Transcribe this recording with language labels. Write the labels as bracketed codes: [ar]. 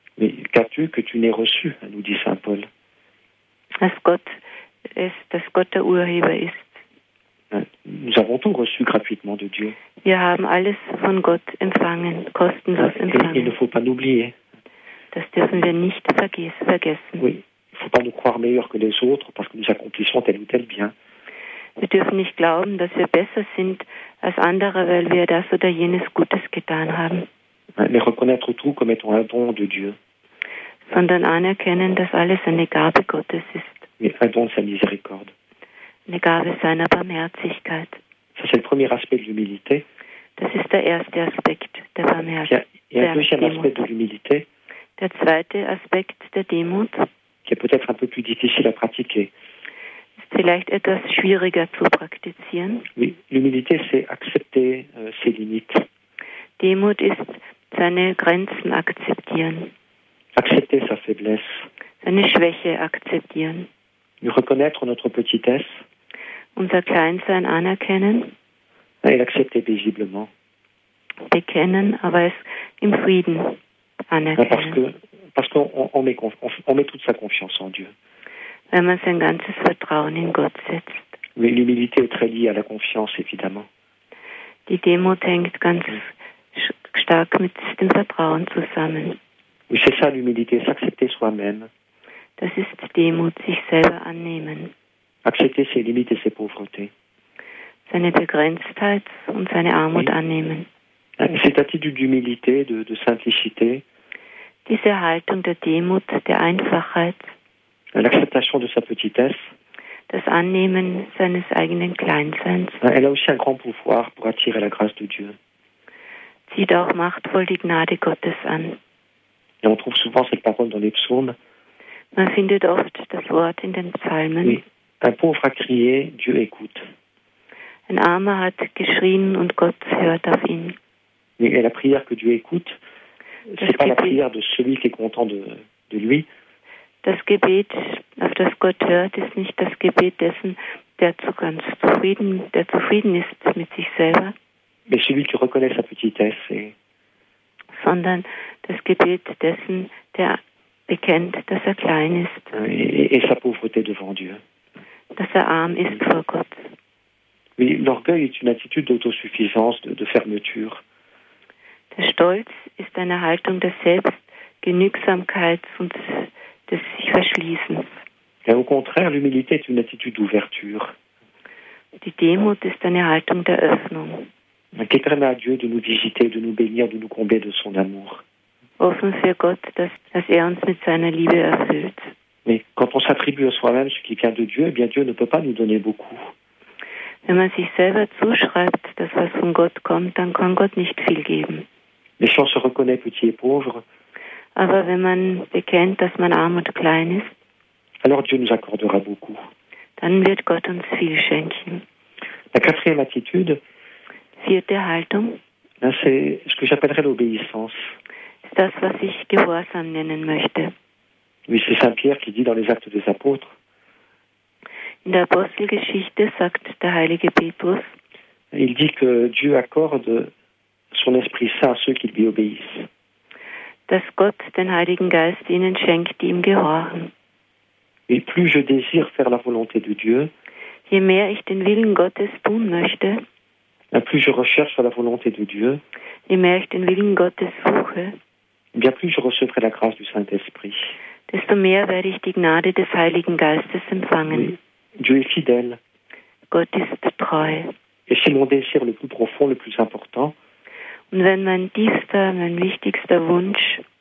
[fr] Mais qu'as-tu que tu n'aies reçu, nous dit Saint Paul. [de] Dass Gott der Urheber ist. [fr] Nous avons tout reçu gratuitement de Dieu. [de] Wir haben alles von Gott empfangen, kostenlos empfangen. [fr] Il ne faut pas l'oublier. [de] Das dürfen wir nicht vergessen. [fr] Oui. Il ne faut pas nous croire meilleurs que les autres parce que nous accomplissons tel ou tel bien. [de] Wir dürfen nicht glauben, dass wir besser sind als andere, weil wir das oder jenes Gutes getan haben. [fr] Mais reconnaître tout comme étant un don de Dieu. [de] Sondern anerkennen, dass alles eine Gabe Gottes ist. [fr] Mais un don de sa miséricorde. [de] Eine Gabe seiner Barmherzigkeit. [fr] Ça, c'est le premier aspect de l'humilité. [de] Das ist der erste Aspekt der Barmherzigkeit. Der zweite Aspekt der Demut. [fr] Qui est peut-être un peu plus difficile à pratiquer. [de] C'est vielleicht etwas schwieriger zu praktizieren. [fr] Oui, l'humilité, c'est accepter ses limites. [de] Demut ist seine Grenzen akzeptieren. [fr] Accepter sa faiblesse. [de] Seine Schwäche akzeptieren. [fr] Et reconnaître notre petitesse. [de] Unser Kleinsein anerkennen. [fr] Et l'accepter paisiblement. [de] Bekennen, aber es im Frieden anerkennen. [fr] Parce qu'on met toute sa confiance en Dieu. [de] Wenn man sein ganzes Vertrauen in Gott setzt. [fr] Mais l'humilité est très liée à la confiance, évidemment. [de] Die Demut hängt ganz stark mit dem Vertrauen zusammen. [fr] Oui, c'est ça l'humilité, s'accepter soi-même. [de] Das ist Demut, sich selber annehmen. [fr] Accepter ses limites et ses pauvretés. [de] Seine Begrenztheit und seine Armut [fr] oui. [de] annehmen. [fr] Cette attitude d'humilité, de simplicité. [de] Diese Haltung der Demut, der Einfachheit. [fr] L'acceptation de sa petitesse. [de] Das Annehmen seines eigenen Kleinseins. [fr] Elle a aussi un grand pouvoir pour attirer la grâce de Dieu. [de] Zieht auch machtvoll die Gnade Gottes an. [fr] Et on trouve souvent cette parole dans les psaumes. [de] Man findet oft das Wort in den Psalmen. [fr] Oui. Un pauvre a crié, Dieu écoute. [de] Ein Armer hat geschrien und Gott hört auf ihn. [fr] Et la prière que Dieu écoute. C'est pas la prière de celui qui est content de lui. [de] Das Gebet, auf das Gott hört, ist nicht das Gebet dessen, der zufrieden ist mit sich selber. [fr] Mais celui qui reconnaît sa petitesse. Et... [de] Sondern das Gebet dessen, der bekennt, dass er klein ist. [fr] Et sa pauvreté devant Dieu. [de] Dass er arm ist vor Gott. [fr] Oui, l'orgueil est une attitude d'autosuffisance, de fermeture. [de] Der Stolz ist eine Haltung des Selbstgenügsamkeits und des Sich-Verschließens. [fr] Et au contraire, l'humilité est une attitude d'ouverture. [de] Die Demut ist eine Haltung der Öffnung. [fr] Qui permet à Dieu de nous visiter, de nous bénir, de nous combler de son amour. [de] Offen für Gott, dass er uns mit seiner Liebe erfüllt. [fr] Mais quand on s'attribue à soi-même ce qui vient de Dieu, eh bien Dieu ne peut pas nous donner beaucoup. [de] Wenn man sich selber zuschreibt, dass was von Gott kommt, dann kann Gott nicht viel geben. [fr] Mais si on se reconnaît petit et pauvre, [de] Aber wenn man bekennt, dass man arm und klein ist, [fr] alors Dieu nous accordera beaucoup. [de] Dann wird Gott uns viel schenken. [fr] La quatrième attitude, [de] vierte Haltung, [fr] c'est ce que j'appellerais l'obéissance. [de] Ist das, was ich Gehorsam nennen möchte. [fr] Oui, c'est Saint-Pierre qui dit dans les Actes des Apôtres. [de] In der Apostelgeschichte sagt der heilige Petrus, [fr] il dit que Dieu accorde son Esprit Saint à ceux qui lui obéissent. [de] Dass Gott den Heiligen Geist ihnen schenkt, die ihm gehorchen. [fr] Et plus je désire faire la volonté de Dieu, [de] je mehr ich den Willen Gottes tun möchte, [fr] plus je recherche la volonté de Dieu, [de] je mehr ich den Willen Gottes suche, [fr] bien plus je recevrai la grâce du Saint-Esprit, [de] desto mehr werde ich die Gnade des Heiligen Geistes empfangen. [fr] Oui. Dieu est fidèle. [de] Gott ist treu. [fr] Et c'est mon désir le plus profond, le plus important, [de] und wenn mein tiefster, mein wichtigster Wunsch,